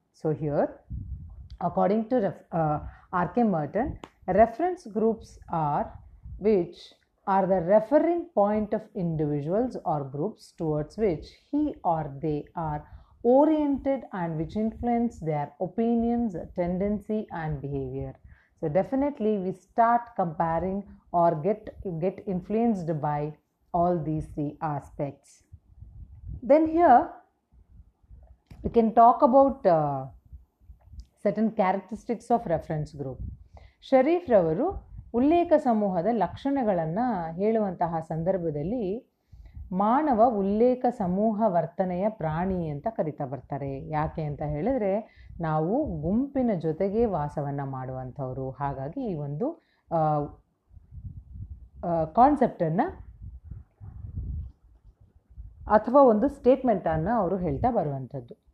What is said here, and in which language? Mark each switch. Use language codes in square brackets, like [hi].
[en] So here according to R K Merton, reference groups are which are the referring point of individuals or groups towards which he are they are oriented and which influence their opinions, tendency and behaviour. So definitely we start comparing or get influenced by all these the aspects. Then here, we can talk about certain characteristics of reference group. [kn] Sharif ರವರು ಉಲ್ಲೇಖ ಸಮೂಹದ ಲಕ್ಷಣಗಳನ್ನು ಹೇಳುವಂತಹ ಸಂದರ್ಭದಲ್ಲಿ ಮಾನವ ಉಲ್ಲೇಖ ಸಮೂಹ ವರ್ತನೆಯ ಪ್ರಾಣಿ ಅಂತ ಕರಿತಾ ಬರ್ತಾರೆ. ಯಾಕೆ ಅಂತ ಹೇಳಿದ್ರೆ ನಾವು ಗುಂಪಿನ ಜೊತೆಗೆ ವಾಸವನ್ನು ಮಾಡುವಂಥವರು. ಹಾಗಾಗಿ ಈ ಒಂದು ಕಾನ್ಸೆಪ್ಟನ್ನು ಅಥವಾ ಒಂದು ಸ್ಟೇಟ್ಮೆಂಟನ್ನು ಅವರು ಹೇಳ್ತಾ ಬರುವಂಥದ್ದು.